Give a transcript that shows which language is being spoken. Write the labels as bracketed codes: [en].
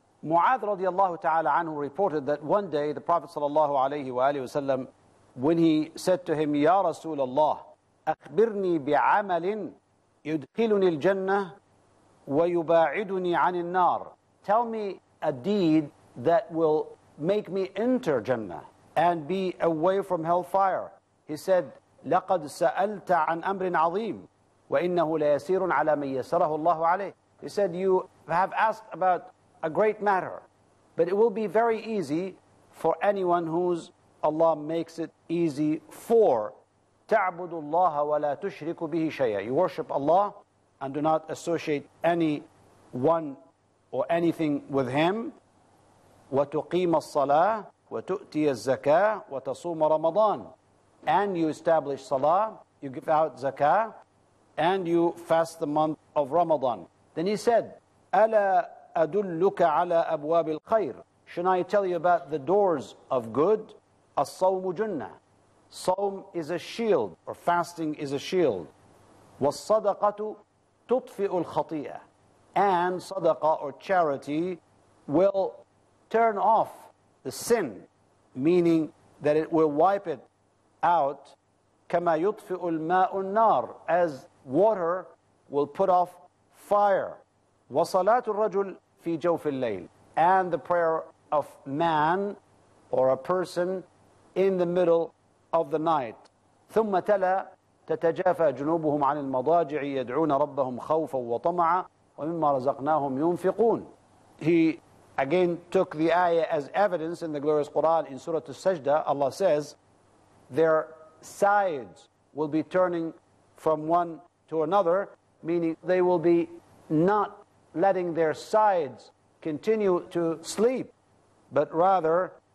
[en] Mu'adh radiallahu ta'ala anhu reported that one day the Prophet sallallahu alayhi wa alayhi wa sallam, when he said to him, Ya Rasulullah, [ar] أخبرني بعمل يدخلني الجنة ويباعدني عن النار. [en] Tell me a deed that will make me enter Jannah and be away from hellfire. He said, [ar] لقد سألت عن أمر عظيم وإنه ليسير على من يسره الله عليه. [en] He said, you have asked about a great matter, but it will be very easy for anyone whose Allah makes it easy for. [ar] تعبد الله ولا تشرك به شيئا. [en] You worship Allah and do not associate any one or anything with Him. [ar] وتقيم الصلاة وتؤتي الزكاة وتصوم رمضان. [en] And you establish Salah, you give out Zakah, and you fast the month of Ramadan. Then he said, [ar] ألا أدلك على أبواب الخير. [en] Should I tell you about the doors of good? [ar] الصوم جنة. [en] Sawm is a shield, or fasting is a shield. [ar] والصدقة تطفئ الخطيئة. [en] And sadaqah, or charity, will turn off the sin, meaning that it will wipe it out. [ar] كما يطفئ الماء النار. [en] As water will put off fire. [ar] وصلاة الرجل في جوف الليل. [en] And the prayer of man or a person in the middle of the night. [ar] ثم تلا تتجافى جنوبهم عن المضاجع يدعون ربهم خوفا وطمعا ومما رزقناهم ينفقون. [en] He again took the ayah as evidence in the glorious Quran in Surah Al-Sajda. Allah says, their sides will be turning from one to another, meaning they will be not letting their sides continue to sleep, but rather